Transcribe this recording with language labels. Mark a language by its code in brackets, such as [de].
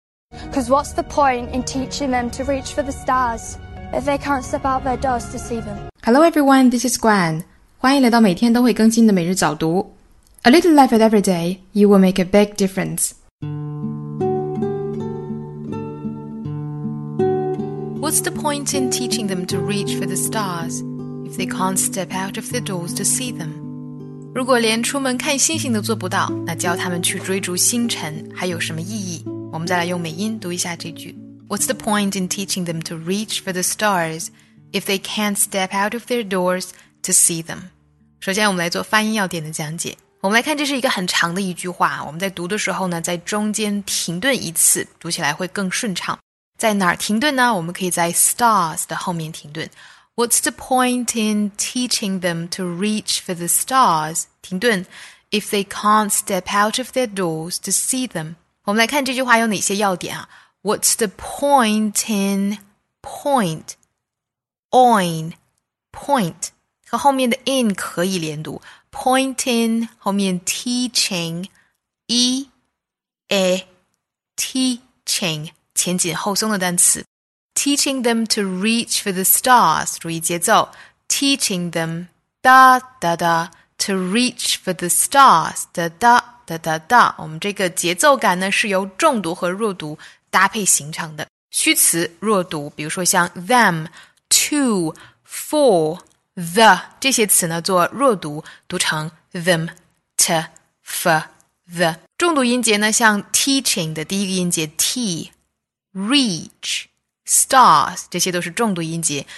[en] Because what's the point in teaching them to reach for the stars if they can't step out their doors to see them? Hello everyone, this is Gwen. [zh] 欢迎来到每天都会更新的每日早读。 [en] A little life at every day, you will make a big difference. What's the point in teaching them to reach for the stars if they can't step out of their doors to see them? [zh] 如果连出门看星星都做不到，那教他们去追逐星辰还有什么意义？我们再来用美音读一下这句。 [en] What's the point in teaching them to reach for the stars if they can't step out of their doors to see them? [zh] 首先我们来做发音要点的讲解。我们来看，这是一个很长的一句话，我们在读的时候呢，在中间停顿一次，读起来会更顺畅。在哪儿停顿呢？我们可以在 stars 的后面停顿。 [en] What's the point in teaching them to reach for the stars? [zh] 停顿 [en] If they can't step out of their doors to see them? [zh] 我们来看这句话有哪些要点啊。 [en] What's the point in point, on, point? [zh] 和后面的 in 可以连读。 [en] Point in, 后面 teaching, e, a, teaching, [zh] 前紧后松的单词。 [en] Teaching them to reach for the stars, [zh] 注意节奏。 [en] Teaching them, da, da, da, to reach for the stars, da, da, da, da, da. [zh] 我们这个节奏感呢是由重读和弱读搭配形成的。虚词弱读，比如说像 them, to, for,the 这些词呢做弱读，读成 them, t, f, the。重读音节呢，像 teaching 的第一个音节 t, reach, stars, 这些都是重读音节。